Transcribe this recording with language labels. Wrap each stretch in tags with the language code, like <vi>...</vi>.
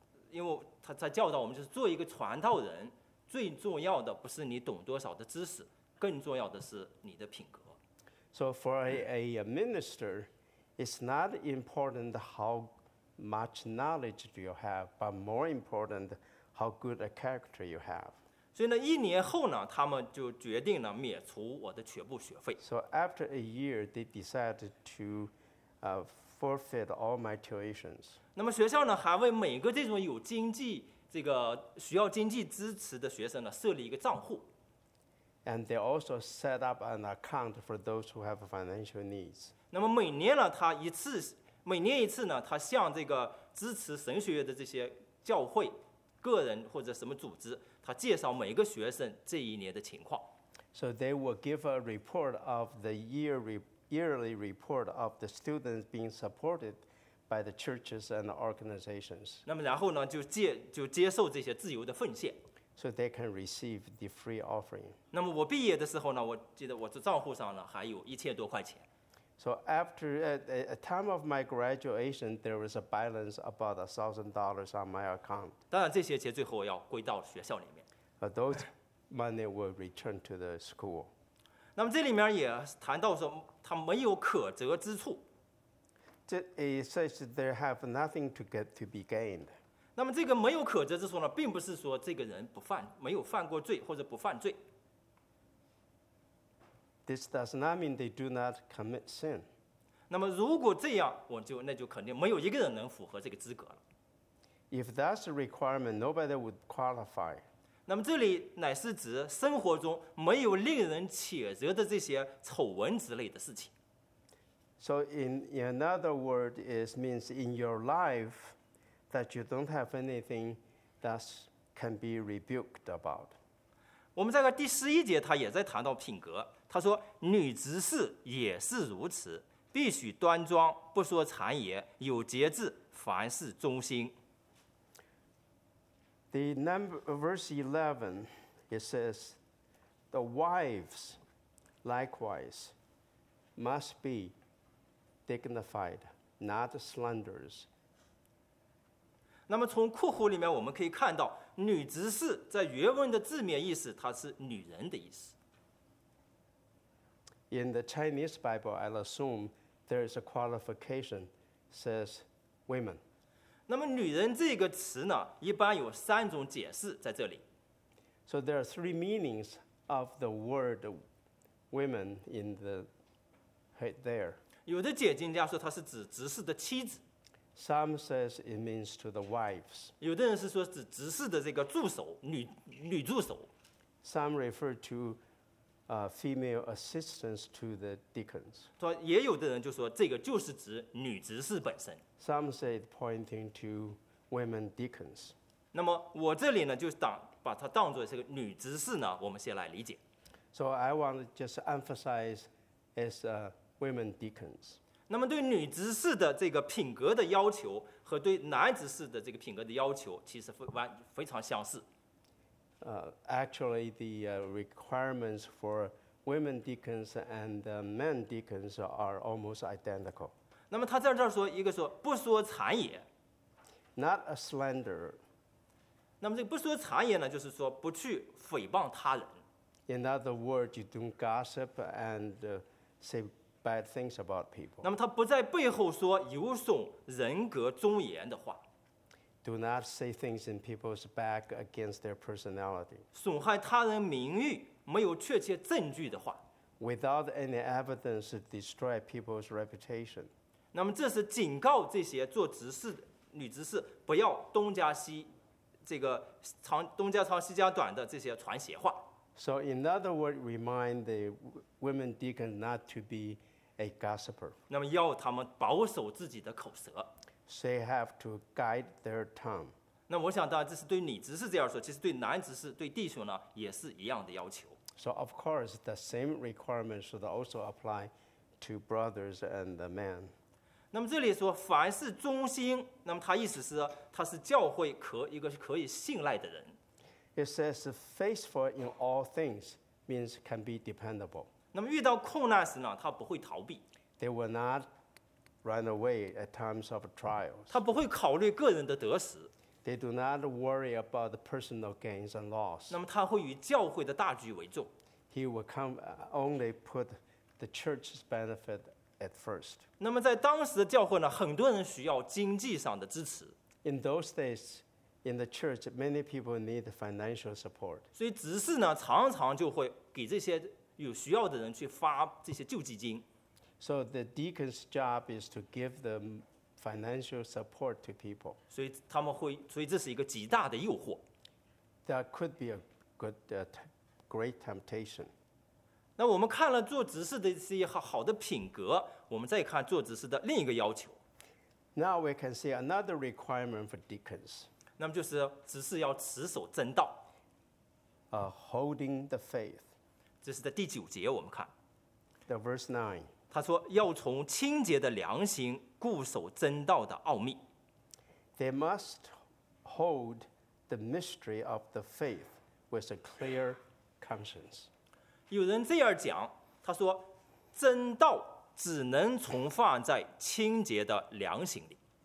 <zh>因为他在教导我们，就是做一个传道人，最重要的不是你懂多少的知识，更重要的是你的品格。</zh> <en>So for a minister, it's not important how much knowledge do you have, but more important how good a character you have.</en> <zh>所以呢，一年后呢，他们就决定呢，免除我的全部学费。</zh> <en>So after a year, they decided to, forfeit all my tuitions.</en> <zh>那么学校呢，还为每个这种有经济这个需要经济支持的学生呢，设立一个账户。</zh> <en>And they also set up an account for those who have financial needs.</en> <zh>那么每年呢，他一次，每年一次呢，他向这个支持神学院的这些教会、个人或者什么组织，他介绍每个学生这一年的情况。</zh> <en>So they will give a report of the yearly report of the students being supported by the churches and organizations.</en> <zh>那么然后呢，就接受这些自由的奉献。</zh> <en>So they can receive the free offering.</en> <zh>那么我毕业的时候呢，我记得我的账户上呢还有1000多块钱。</zh> <en>So after a time of my graduation, there was a balance about $1,000 on my account.</en> <zh>当然这些钱最后要归到学校里面。</zh> <en>But those money will return to the school.</en> <zh>那么这里面也谈到说，他没有可折之处。</zh> <en>It says they have nothing to get to be gained.</en> <zh>那么这个没有可折之处呢，并不是说这个人不犯，没有犯过罪或者不犯罪。</zh> <en>This does not mean they do not commit sin.</en> <zh>那么如果这样，那就肯定没有一个人能符合这个资格了。</zh> <en>If that's a requirement, nobody would qualify.</en> <zh>那么这里乃是指生活中没有令人谴责的这些丑闻之类的事情。</zh> <en>So in other words, it means in your life that you don't have anything that can be rebuked about.</en> <zh>我们在第十一节他也在谈到品格。他说女执事也是如此，必须端庄，不说谗言，有节制，凡事忠心。</zh> <en>The verse 11 it says the wives likewise must be dignified, not slanderers.</en> <zh>那么从括弧里面我们可以看到，女执事在原文的字面意思，它是女人的意思。</zh> <en>In the Chinese Bible, I'll assume there is a qualification, says women.</en> <zh>那么女人这个词呢，一般有三种解释在这里。</zh> <en>So there are three meanings of the word women in the head there.</en> <zh>有的解经家说它是指执事的妻子。</zh> <en>Some says it means to the wives.</en> <zh>有的人是说指执事的这个助手，女助手。</zh> <en>Some refer to female assistants to the deacons.</en> <zh>也有的人就说这个就是指女执事本身。</zh> <en>Some say it pointing to women deacons.</en> <zh>那么我这里呢，就把它当作是个女执事呢，我们先来理解。</zh> <en>So I want to just emphasize as women deacons.</en> <zh>那么对女执事的这个品格的要求和对男执事的这个品格的要求其实非常相似。</zh> <en>Actually, the requirements for women deacons and men deacons are almost identical.</en> <zh>那么他在这儿说，一个说不说谗言</zh> <en>，not a slander.</en> <zh>那么这个不说谗言呢，就是说不去诽谤他人。</zh> <en>In other words, you don't gossip and say bad things about people.</en> <zh>那么他不在背后说有损人格尊严的话。</zh> <en>Do not say things in people's back against their personality.</en> <zh>损害他人名誉，没有确切证据的话。</zh> <en>Without any evidence, destroy people's reputation.</en> <zh>那么这是警告这些做执事女执事不要东家西，这个长东家长西家短的这些传邪话。</zh> <en>So in other words, remind the women deacons not to be a gossiper.</en> <zh>那么要他们保守自己的口舌。</zh> <en>They have to guide their tongue.</en> <zh>那我想当然这是对女执事这样说，其实对男执事对弟兄呢也是一样的要求。</zh> <en>So of course the same requirement should also apply to brothers and the men.</en> <zh>那么这里说凡事忠心，那么他意思是他是教会一个可以信赖的人。</zh> <en>It says faithful in all things means can be dependable.</en> <zh>那么遇到困难时呢，他不会逃避。</zh> <en>They will not run away at times of trials.</en> <zh>他不会考虑个人的得失。</zh> <en>They do not worry about the personal gains and loss.</en> <zh>那么他会以教会的大局为重。</zh> <en>He will come only put the church's benefit at first.</en> <zh>那么在当时的教会呢，很多人需要经济上的支持。</zh> <en>In those days, in the church, many people need financial support.</en> <zh>所以执事呢，常常就会给这些有需要的人去发这些救济金。</zh> <en>So the deacon's job is to give the financial support to people.</en> <zh>所以他们会，所以这是一个极大的诱惑。</zh> <en>That could be a good, great temptation.</en> <zh>那我们看了做执事的这些好的品格，我们再看做执事的另一个要求。</zh> <en>Now we can see another requirement for deacons.</en> <zh>那么就是执事要持守真道。</zh> <en>Holding the faith.</en> <zh>这是在第九节我们看。</zh> <en>The verse 9.</en> <zh>他说要从清洁的良心固守真道的奥秘。</zh> <en>They must hold the mystery of the faith with a clear conscience.</en> <zh>有人这样讲，他说真道只能存放在清洁的良心里。</zh>